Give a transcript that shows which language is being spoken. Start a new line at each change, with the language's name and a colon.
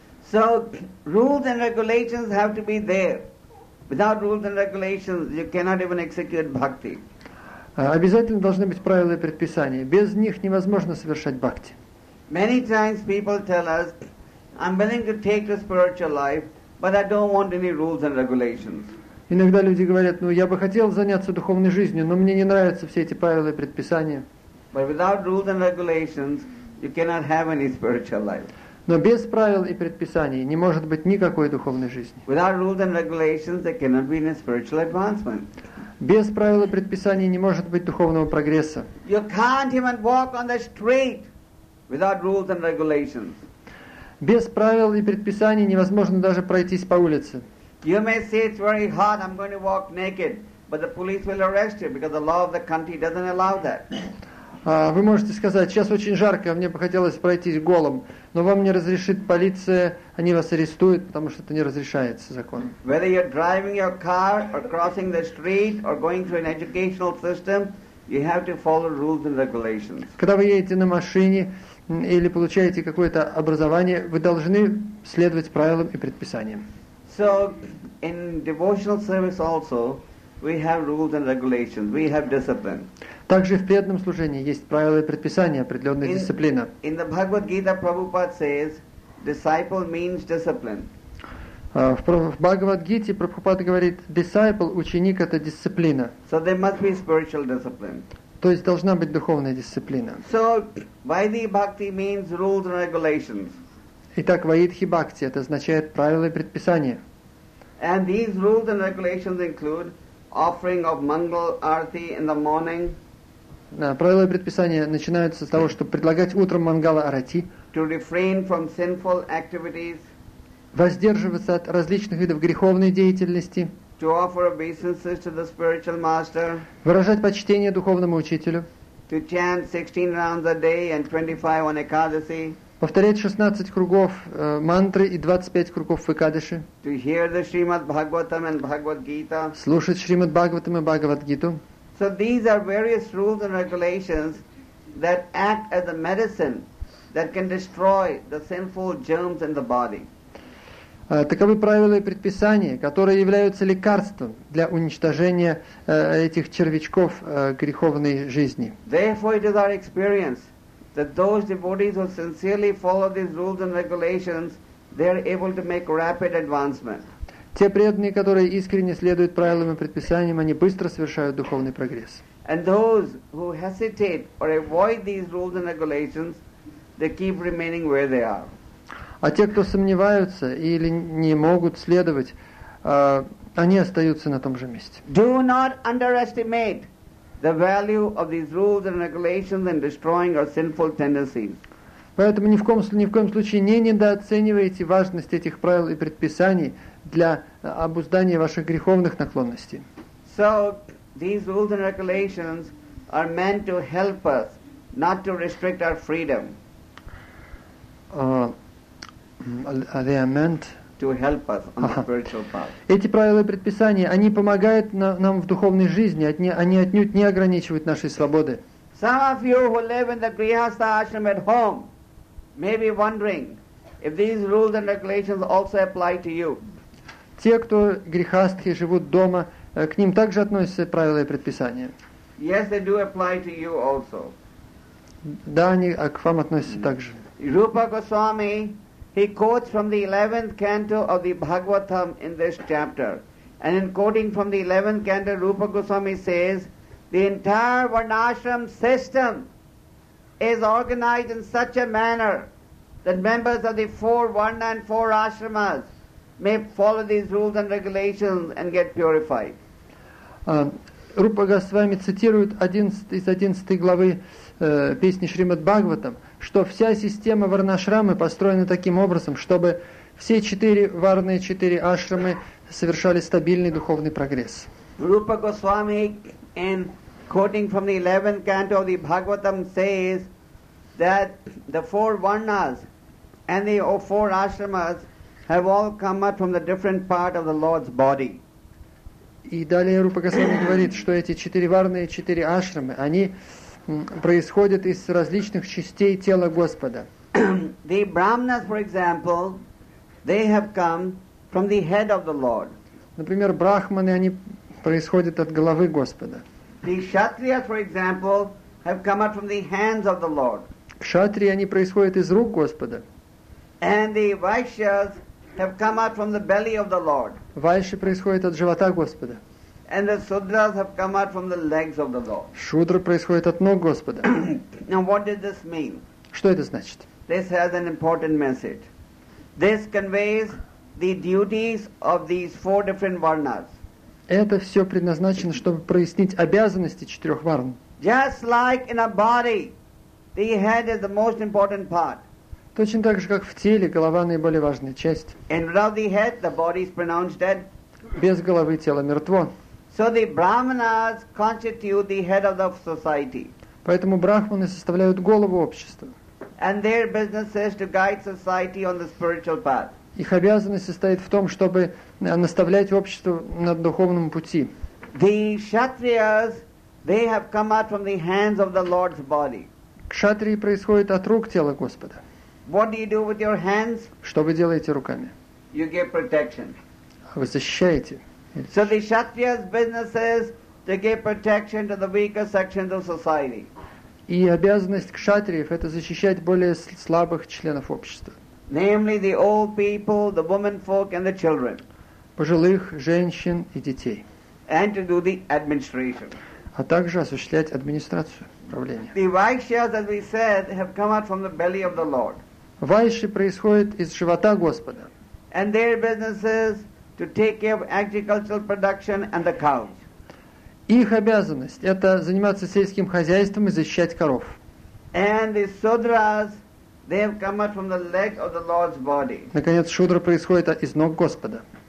English: So rules and regulations have to be there. Without rules and regulations, you cannot even execute bhakti.
Russian: Обязательно должны быть правила и предписания. Без них невозможно совершать бхакти.
English: Many times people tell us, I'm willing to take the spiritual life, but I don't want any rules and regulations.
Russian: Иногда люди говорят, ну я бы хотел заняться духовной жизнью, но мне не нравятся все эти правила и предписания.
English: But without rules and regulations, you cannot have any spiritual life.
Russian: Но без правил и предписаний не может быть никакой духовной жизни.
English: Without rules and regulations, there cannot be any spiritual advancement.
Russian: Без правил и предписаний не может быть духовного прогресса.
English: You can't even walk on the street without rules and regulations.
Russian: Без правил и предписаний невозможно даже пройтись по улице.
English: You may say it's very hot, I'm going to walk naked, but the police will arrest you because the law of the country doesn't allow that.
Russian: Вы можете сказать, сейчас очень жарко, мне бы хотелось пройтись голым, но вам не разрешит полиция, они вас арестуют, потому что это не разрешается законом.
English: Whether you're driving your car or crossing the street or going through an educational system, you have to follow rules and regulations.
Russian: Когда вы едете на машине или получаете какое-то образование, вы должны следовать правилам и предписаниям.
English: So in devotional service also we have rules and regulations. We have discipline.
Russian: Также в преданном служении есть правила и предписания, определенная дисциплина.
English: In the Bhagavad Gita, Prabhupada says, disciple means discipline.
Russian: В Бхагавад Гите Прабхупада говорит, disciple, ученик, это дисциплина.
English: So there must be spiritual discipline.
Russian: То есть должна быть духовная дисциплина.
English: So Vaidhi bhakti means rules and regulations.
Russian: Итак, Vaidhi bhakti это означает правила и предписания.
English: And these rules and regulations include offering of Mangal Arati in the morning.
Russian: Правила и предписания начинаются с того, чтобы предлагать утром Мангала Арати.
English: To refrain from sinful activities.
Russian: Воздерживаться от различных видов греховной деятельности.
English: To offer obeisances to the spiritual master.
Russian: Выражать почтение духовному учителю.
English: To chant 16 rounds a day and 25 on Ekadasi.
Russian: Повторять 16 кругов мантры и 25 кругов в Экадаши.
English: To hear the Srimad Bhagavatam and Bhagavad Gita.
Russian: Слушать Шримад Бхагаватам и Бхагавад Гиту.
English: So these are various rules and regulations that act as a medicine that can destroy the sinful germs in the body.
Russian: Таковы правила и предписания, которые являются лекарством для уничтожения этих червячков греховной жизни.
English: Therefore it is our experience that those devotees who sincerely follow these rules and regulations, they are able to make rapid advancement.
Russian: Те преданные, которые искренне следуют правилам и предписаниям, они быстро совершают духовный прогресс.
English: And those who hesitate or avoid these rules and regulations, they keep remaining where they are.
Russian: А те, кто сомневаются или не могут следовать, они остаются на том же месте.
English: Do not underestimate the value of these rules and regulations in destroying our sinful tendencies.
Russian: Поэтому ни в коем случае не недооценивайте важность этих правил и предписаний для обуздания ваших греховных наклонностей.
English: So these rules and regulations are meant to help us, not to restrict our freedom. They are meant to help us on the spiritual path.
Russian: Эти правила и предписания, они помогают нам в духовной жизни, они отнюдь не ограничивают нашей свободы.
English: Some of you who live in the Grihastha ashram at home may be wondering if these rules and regulations also apply to you.
Russian: Те, кто грехастхи, живут дома, к ним также относятся правила и предписания.
English: Yes, they do apply to you also.
Russian: Да, они к вам относятся также.
English: Rupa Goswami, he quotes from the 11th canto of the Bhagavatam in this chapter. And in quoting from the 11th canto, Rupa Goswami says, the entire Varnashram system is organized in such a manner that members of the four Varna and four Ashramas may follow these rules and regulations and get purified.
Russian: Rupa Goswami цитирует из 11 главы песни Шримад Бхагаватам, что вся система Варнашрамы построена таким образом, чтобы Все четыре варны, четыре ашрамы совершали стабильный духовный прогресс.
English: Rupa Goswami, in quoting from the 11th canto of the Bhagavatam, says that the four varnas and the four ashramas have all come out from the different part of the Lord's body.
Russian: И далее Рупа Госвами говорит, что эти четыре варны и четыре ашрамы, они происходят из различных частей тела Господа.
English: The brahmanas, for example, they have come from the head of the Lord.
Russian: Например, брахманы, они происходят от головы Господа.
English: The kshatriyas, for example, have come out from the hands of the Lord.
Russian: Кшатрии, они происходят из рук Господа.
English: And the vaishyas have come out from the belly of the Lord.
Russian: Вайши происходят от живота Господа.
English: And the sudras have come out from the legs of the Lord.
Russian: Шудры происходят от ног Господа.
English: Now what does this mean?
Russian: Что это значит?
English: This has an important message. This conveys the duties of these four different varnas.
Russian: Это все предназначено, чтобы прояснить обязанности четырех варн.
English: Just like in a body, the head is the most important part.
Russian: Точно так же, как в теле, голова наиболее важная часть.
English: And without the head, the body is pronounced dead.
Russian: Без головы тело мертво.
English: So the brahmanas constitute the head of the society.
Russian: Поэтому брахманы составляют голову общества.
English: And their business is to guide society on the spiritual path.
Russian: Их обязанность состоит в том, чтобы наставлять общество на духовном пути.
English: The kshatriyas, they have come out from the hands of the Lord's body.
Russian: Кшатрии происходят от рук тела Господа.
English: What do you do with your hands?
Russian: Что вы делаете руками?
English: You give protection.
Russian: Вы защищаете.
English: So the kshatriya's business is to give protection to the weaker sections of society.
Russian: И обязанность кшатриев – это защищать более слабых членов общества.
English: Namely, the old people, the women folk, and the children.
Russian: Пожилых, женщин и детей.
English: And to do the administration.
Russian: А также осуществлять администрацию. Правление.
English: The vaishyas, as we said, have come out from the belly of the Lord.
Russian: Вайши происходят из живота Господа.
English: And their business is to take care of agricultural production and the cows.
Russian: Их обязанность – это заниматься сельским хозяйством и защищать коров.
English: And the sudras, they have come out from the leg of the Lord's body.
Russian: Наконец, шудры происходят из ног Господа.